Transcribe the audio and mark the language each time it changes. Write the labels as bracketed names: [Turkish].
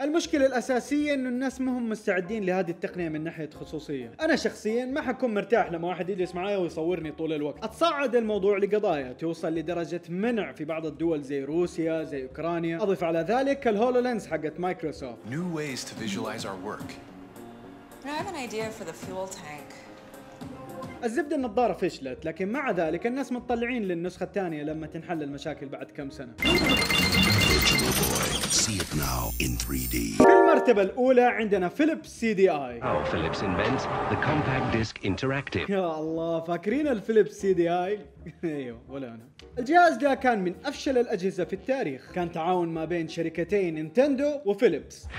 [Arabic] المشكلة الأساسية إنه الناس ما هم مستعدين لهذه التقنية من ناحية خصوصية. أنا شخصياً ما حكون مرتاح لما واحد يجلس معايا ويصورني طول الوقت. أتصاعد الموضوع لقضايا وصل لدرجة منع في بعض الدول زي روسيا زي أوكرانيا. أضف على ذلك الهولو لينز حقت مايكروسوفت. [English] New ways to visualize our work. I have an idea for the fuel tank. [Arabic] الزبدة النظارة فشلت، لكن مع ذلك الناس مطلعين للنسخة الثانية لما تنحل المشاكل بعد كم سنة. [English] See it now in 3D. [Arabic] في المرتبة الأولى عندنا فيليبس سي دي آي. [English] Philips invents the compact disc interactive. [Arabic] يا الله فاكرين الفيليبس سي دي آي؟ ايوه ولا انا. الجهاز ده كان من افشل الاجهزه في التاريخ، كان تعاون ما بين شركتين نينتندو وفيليبس.